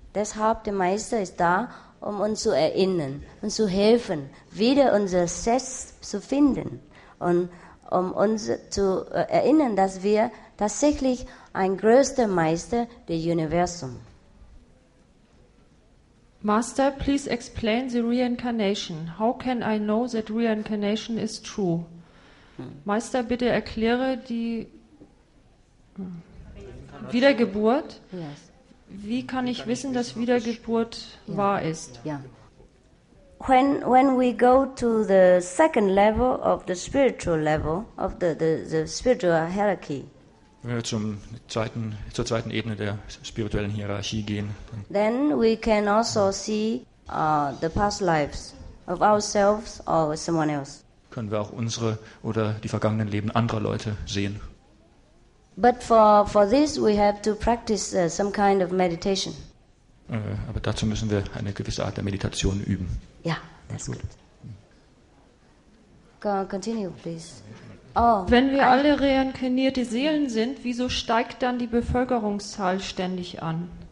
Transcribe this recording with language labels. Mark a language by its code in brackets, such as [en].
[de] Deshalb, der Meister ist da, um uns zu erinnern und zu helfen, wieder unser Selbst zu finden und um uns zu erinnern, dass wir tatsächlich ein größter Meister des Universums. [en] Master, please explain the reincarnation. How can I know that reincarnation is true? [de] Meister, bitte erkläre die Wiedergeburt. [en] Yes. [de] Wie kann ich wissen, dass Wiedergeburt wahr ist? [en] Yeah. When we go to the second level of the spiritual level of the spiritual hierarchy. [de] Wenn wir zur zweiten Ebene der spirituellen Hierarchie gehen. [en] Then we can also see the past lives of ourselves or someone else. [de] Können wir auch unsere oder die vergangenen Leben anderer Leute sehen? [en] But for this we have to practice some kind of meditation. [de] Aber dazu müssen wir eine gewisse Art der Meditation üben. [en] Ja, that's good. Continue, please. [de] Oh, wenn wir alle reinkarnierte Seelen sind, wieso steigt dann die Bevölkerungszahl ständig an?